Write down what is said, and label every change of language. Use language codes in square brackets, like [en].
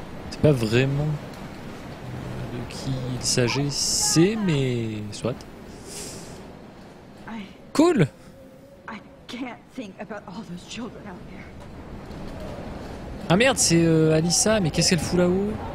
[fr] C'est pas vraiment de qui il s'agissait, mais soit. Cool. [en] I can't think about all those children out there. [fr] Ah merde, c'est Alyssa, mais qu'est-ce qu'elle fout là-haut?